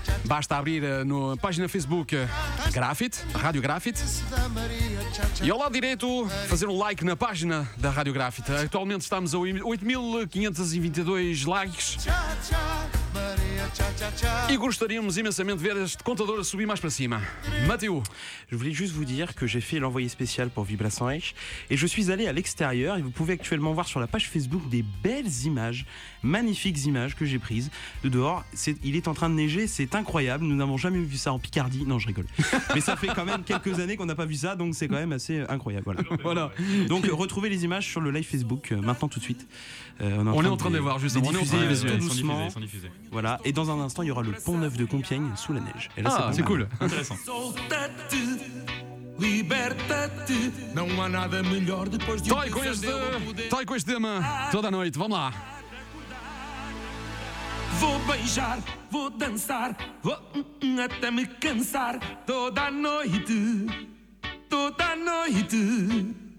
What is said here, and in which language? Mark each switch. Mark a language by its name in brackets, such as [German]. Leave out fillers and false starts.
[Portuguese] Basta abrir na página Facebook Grafite, Rádio Grafite, e ao lado direito fazer um like na página da Rádio Grafite. Atualmente estamos a 8.522 likes e gostaríamos imensamente de ver este contador a subir mais para cima. [French] Mathieu, je voulais juste vous dire que j'ai fait l'envoyé spécial pour Vibrações et je suis allé à l'extérieur et vous pouvez actuellement voir sur la page Facebook des belles images, magnifiques images que j'ai prises de dehors. Il est en train de neiger, c'est incroyable. Nous n'avons jamais vu ça en Picardie. Non, je rigole. Mais ça fait quand même quelques années qu'on n'a pas vu ça, donc c'est quand même assez incroyable. Voilà. Voilà. Donc retrouvez les images sur le live Facebook maintenant tout de suite. On est en train de les voir, justement. Les diffuser, on est en train de tout doucement. Sont diffusés. Voilà. Et dans un instant, il y aura le pont neuf de Compiègne sous la neige. Et là, ah, c'est cool. Intéressant. [Portuguese] Liberta-te, não há nada melhor depois de um pesadelo. Toi com este tema toda a noite, vamos lá. Vou beijar, vou dançar, vou até me cansar. Toda a noite, toda a noite.